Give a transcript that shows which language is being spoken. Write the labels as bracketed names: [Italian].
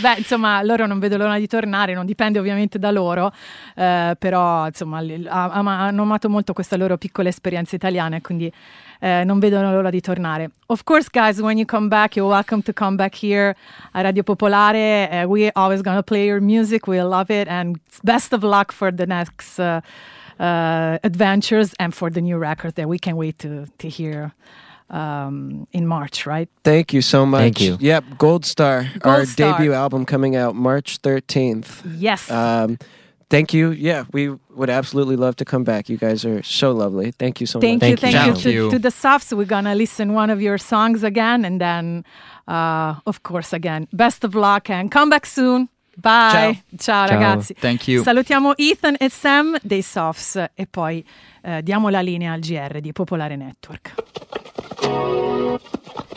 [Italian] Beh, insomma, loro non vedo l'ora di tornare, non dipende ovviamente da loro, però insomma hanno amato molto questa loro piccola esperienza italiana, quindi non vedo l'ora di tornare. [English] Of course, guys, when you come back, you're welcome to come back here a Radio Popolare. We always gonna play your music, we love it, and best of luck for the next adventures and for the new record that we can't wait to hear in March, right? Thank you so much. Thank you. Yep, Gold Star, our debut album coming out March 13th. Yes. Thank you. Yeah, we would absolutely love to come back. You guys are so lovely. Thank you so much. Thank you. To the Softs, we're going to listen one of your songs again, and then, of course, again, best of luck and come back soon. Bye. [Italian] Ciao ragazzi. [English] Thank you. [Italian] Salutiamo Ethan e Sam dei Softs e poi diamo la linea al GR di Popolare Network.